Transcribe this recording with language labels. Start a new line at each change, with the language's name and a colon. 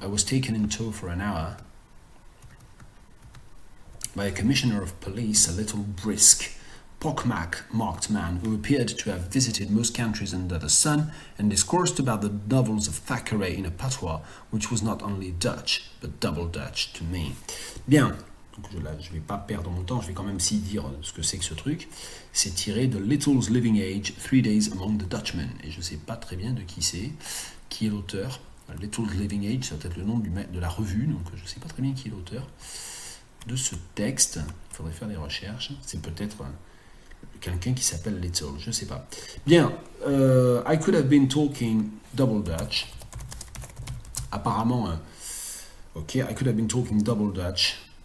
English: I was taken in tow for an hour by a commissioner of police, a little brisk, pockmarked man who appeared to have visited most countries under the sun and discoursed about the novels of Thackeray in a patois which was not only Dutch but double Dutch to me.
French: Bien. Donc là, je ne vais pas perdre mon temps, je vais quand même si dire ce que c'est que ce truc. C'est tiré de Little's Living Age, Three Days Among the Dutchmen. Et je ne sais pas très bien de qui c'est, qui est l'auteur. Little's Living Age, ça doit être le nom de la revue, donc je ne sais pas très bien qui est l'auteur de ce texte. Il faudrait faire des recherches. C'est peut-être quelqu'un qui s'appelle Little, je ne sais pas.
English: Bien, I could have been talking double Dutch. Apparemment, ok, I could have been talking double Dutch.